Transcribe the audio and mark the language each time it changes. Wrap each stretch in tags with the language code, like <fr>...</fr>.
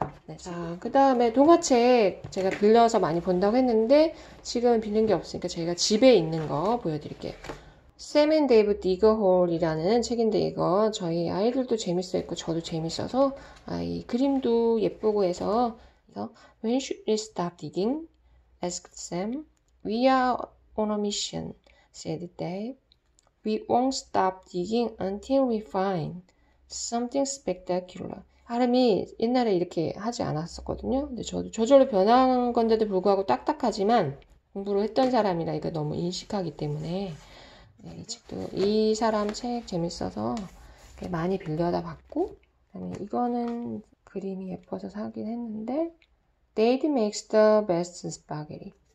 <ko>네, 자, 그 다음에 동화책 제가 빌려서 많이 본다고 했는데 지금 빌린 게 없으니까 저희가 집에 있는 거 보여드릴게요. 샘 앤 데이브 디거홀이라는 책인데 이거 저희 아이들도 재밌어했고 저도 재밌어서 아이 그림도 예쁘고 해서</ko> <en>When should we stop digging? Asked Sam. We are on a mission, said Dave. We won't stop digging until we find something spectacular.</en> <ko>발음이 옛날에 이렇게 하지 않았었거든요. 근데 저도 저절로 변한 건데도 불구하고 딱딱하지만 공부를 했던 사람이라 이거 너무 인식하기 때문에 네, 이 책도 이 사람 책 재밌어서 많이 빌려다 봤고 이거는 그림이 예뻐서 사긴 했는데</ko> <en>Dave makes the best spaghetti.</en>